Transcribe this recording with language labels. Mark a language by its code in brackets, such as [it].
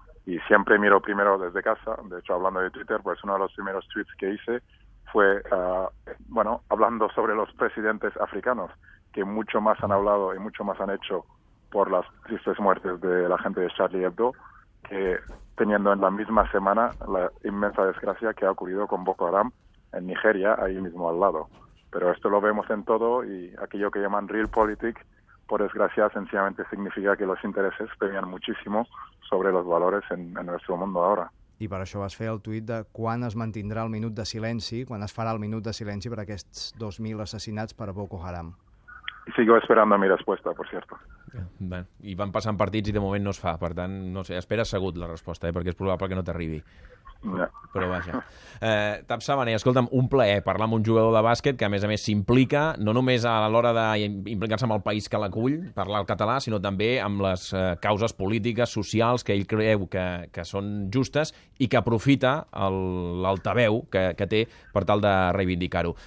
[es] Y siempre miro primero desde casa, de hecho hablando de Twitter, pues uno de los primeros tweets que hice fue hablando sobre los presidentes africanos, que mucho más han hablado y mucho más han hecho por las tristes muertes de la gente de Charlie Hebdo, que teniendo en la misma semana la inmensa desgracia que ha ocurrido con Boko Haram en Nigeria, ahí mismo al lado. Pero esto lo vemos en todo y aquello que llaman realpolitik, por desgracia, sencillamente significa que los intereses premian muchísimo sobre los valores en nuestro mundo ahora. [ca] I per això vas fer el tuit de quan es mantindrà el minut de silenci, quan es farà el minut de silenci per aquests 2.000 assassinats per Boko Haram. [es] Y sigo esperando mi respuesta, por cierto. [ca] I van passant partits i de moment no es fa. Per tant, no sé, espera assegut la resposta, perquè és probable que no t'arribi. Ja. Però vaja. Tap Sabané, escolta'm, un plaer parlar amb un jugador de bàsquet que, a més, s'implica no només a l'hora d'implicar-se amb el país que l'acull, parlar el català, sinó també amb les causes polítiques, socials, que ell creu que són justes i que aprofita l'altaveu que té per tal de reivindicar-ho.